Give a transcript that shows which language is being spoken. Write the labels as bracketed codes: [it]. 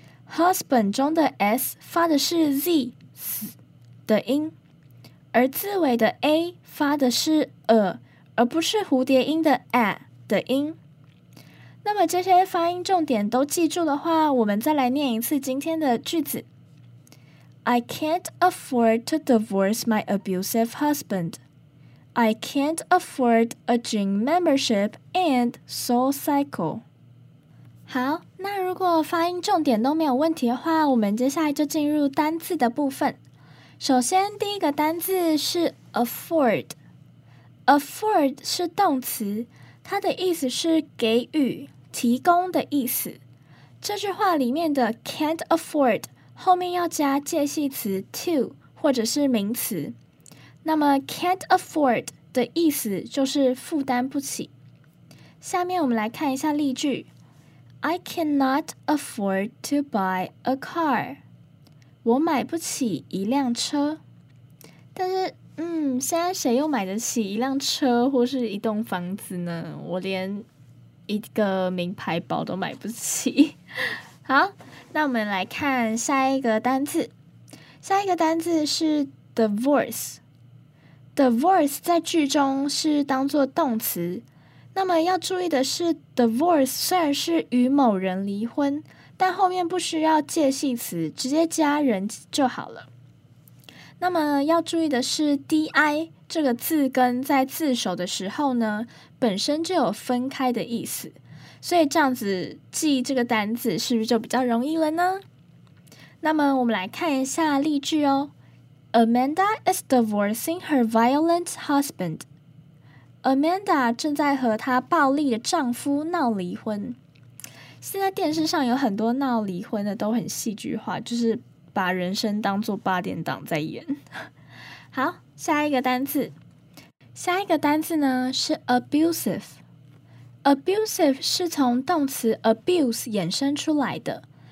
[zh] husband 中的 s 发的是 z 的音，而字尾的 a 发的是而不是蝴蝶音的 a。的音，那么这些发音重点都记住的话，我们再来念一次今天的句子。 [en] I can't afford to divorce my abusive husband. I can't afford a gym membership and SoulCycle. [zh] 好，那如果发音重点都没有问题的话，我们接下来就进入单字的部分。首先，第一个单字是 afford。 afford 是动词。它的意思是给予、提供的意思。这句话里面的 can't afford 后面要加介系词 to 或者是名词。那么 can't afford 的意思就是负担不起。下面我们来看一下例句。 [en] I cannot afford to buy a car. [zh] 我买不起一辆车。但是现在谁又买得起一辆车或是一栋房子呢？我连一个名牌包都买不起。好，那我们来看下一个单字。下一个单字是 divorce。 divorce 在句中是当作动词。那么要注意的是 divorce 虽然是与某人离婚，但后面不需要介系词，直接加人就好了。那么要注意的是 DI 这个字根在字首的时候呢，本身就有分开的意思，所以这样子记这个单字是不是就比较容易了呢？那么我们来看一下例句哦。 [en] Amanda is divorcing her violent husband. [zh] Amanda 正在和她暴力的丈夫闹离婚。现在电视上有很多闹离婚的都很戏剧化，就是把人生当作八点档在演。好，下一个单字。下一个单字呢是 abusive。abusive 是从动词 abuse 衍生出来的。